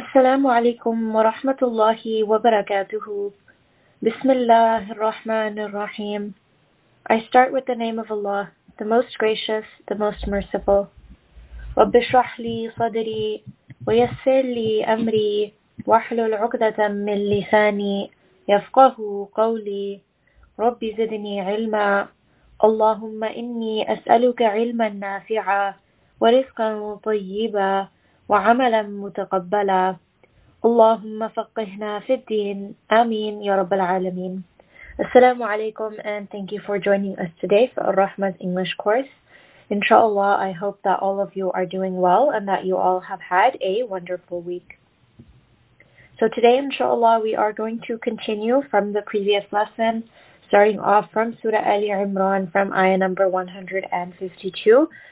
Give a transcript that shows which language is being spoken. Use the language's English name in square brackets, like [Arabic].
[Arabic] السلام عليكم ورحمة الله وبركاته. بسم الله الرحمن الرحيم. [English] I start with the name of Allah, the Most Gracious, the Most Merciful. [Arabic] رب اشرح لي صدري ويسر لي أمري واحلل عقدة من لساني يفقه قولي رب زدني علما. اللهم إني أسألك علما نافعا ورزقا طيبا وعملا متقبلا. اللهم فقهنا في الدين. آمين يا رب العالمين. السلام عليكم [English] and thank you for joining us today for Rahma's English course. Inshallah, I hope that all of you are doing well and that you all have had a wonderful week. So today, inshallah, we are going to continue from the previous lesson, starting off from Surah Ali Imran from ayah number 152.